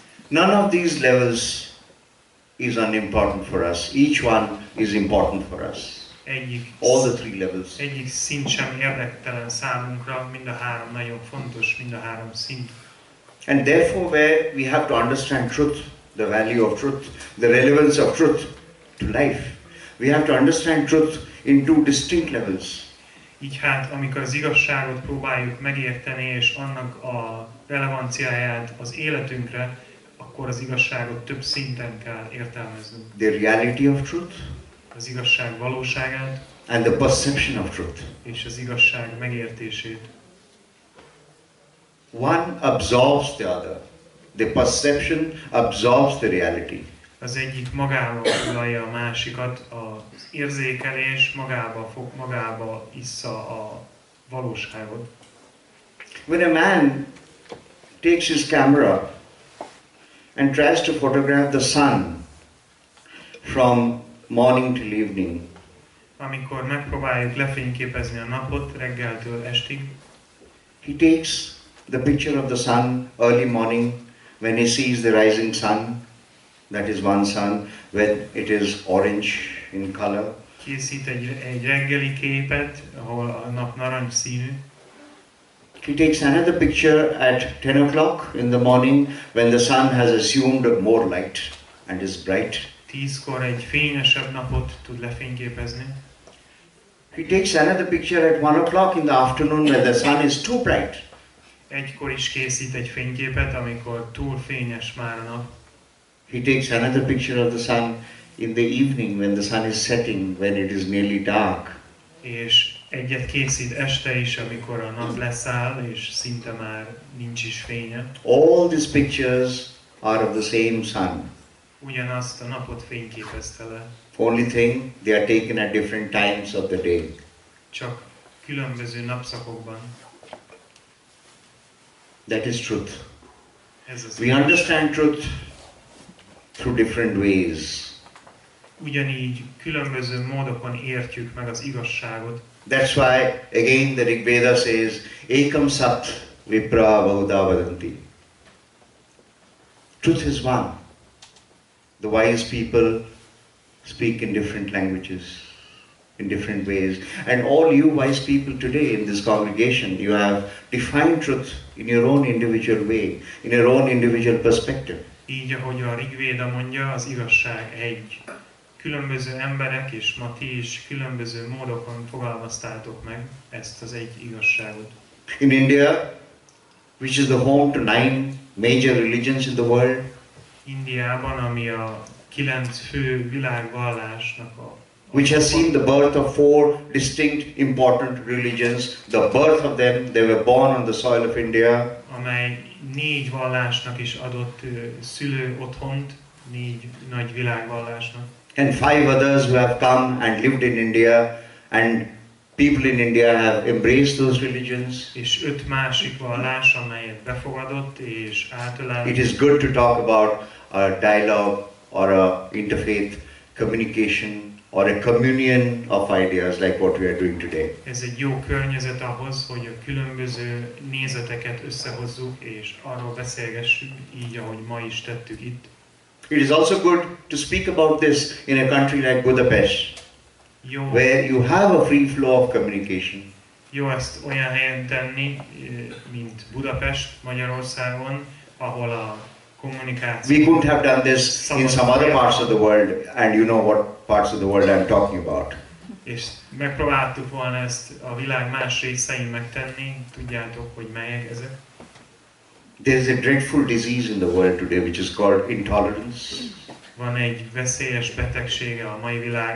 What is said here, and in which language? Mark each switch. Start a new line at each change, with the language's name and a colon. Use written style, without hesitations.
English: None of these levels is unimportant for us. Each one is important for us. All the three levels.
Hungarian: Egyik szint sem érdektelen számunkra, mind a három nagyon fontos, mind a három szint.
English: And therefore where we have to understand truth, the value of truth, the relevance of truth to life. We have to understand truth in two distinct levels.
Hungarian: Így hát, amikor az igazságot próbáljuk megérteni és annak a relevanciáját az életünkre, akkor az igazságot több szinten kell értelmeznünk.
English: The reality of truth.
Hungarian: Az igazság valóságát.
English: And the perception of truth.
Hungarian: És az igazság megértését.
English: One absorbs the other. The perception absorbs the reality.
Hungarian: Az egyik magába foglalja a másikat, az érzékelés magába fog magába issza a valóságot.
English: When a man takes his camera and tries to photograph the sun from morning till evening.
Hungarian: Amikor megpróbáljuk lefényképezni a napot reggeltől estig.
English: He takes the picture of the sun early morning when he sees the rising sun. That is one sun when it is orange in color.
Hungarian: Készít egy reggeli képet, ahol a nap narancs színű.
English: He takes another picture at 10 o'clock in the morning when the sun has assumed more light and is bright.
Hungarian: 10-kor egy fényesebb napot tud lefényképezni.
English: He takes another picture at 1 o'clock in the afternoon when the sun is too bright.
Hungarian: Egykor is készít egy fényképet, amikor túl fényes már a nap.
English: He takes another picture of the sun in the evening when the sun is setting, when it is nearly dark.
Hungarian: És egyet készít este is, amikor a nap leszáll, és szinte már nincs is fénye.
English: All these pictures are of the same sun.
Hungarian: Ugyanazt a napot fényképezte le.
English: Only thing, they are taken at different times of the day.
Hungarian: Csak különböző napszakokban.
English: That is truth.
Hungarian: Ez az
English: we
Hungarian: az
English: understand az truth through different ways.
Hungarian: Ugyanígy különböző módokon értjük meg az igazságot.
English: That's why again the Rig Veda says
Sanskrit: ekam sat vipra bahudha vadanti.
English: Truth is one. The wise people speak in different languages, in different ways. And all you wise people today in this congregation, you have defined truth in your own individual way, in your own individual perspective.
Hungarian: Így, ahogy a Rig Veda mondja, az igazság egy. Különböző emberek és ma ti is különböző módokon fogalmaztátok meg ezt az egy igazságot.
English: In India, which is the home to 9 major religions in the world,
Hungarian: Indiában, ami a 9 fő világvallásnak a
English: which has seen the birth of 4 distinct important religions, the birth of them, they were born on the soil of India.
Hungarian: Amely 4 vallásnak is adott szülő otthont, 4 nagy világvallásnak.
English: And 5 others who have come and lived in India, and people in India have embraced those religions.
Hungarian: És 5 másik vallás, amelyet befogadott és átölelt.
English: It is good to talk about a dialogue or a interfaith communication or a communion of ideas like what we are doing today.
Hungarian: Ez egy jó környezet ahhoz, hogy a különböző nézeteket összehozzuk és arról beszélgessük, így ahogy ma is tettük itt.
English: It is also good to speak about this in a country like Budapest,
Hungarian: jó,
English: where you have a free flow of communication.
Hungarian: Jó ezt olyan helyen tenni, mint Budapest, Magyarországon, ahol a kommunikáció.
English: We couldn't have done this in some other parts of the world, and you know what parts of the world I'm talking about.
Hungarian: És megpróbáltuk volna ezt a világ más részein megtenni, tudjátok, hogy melyek ezek.
English: There is a dreadful disease in the world today, which is called intolerance.
Hungarian: Van egy veszélyes betegsége a mai világnak.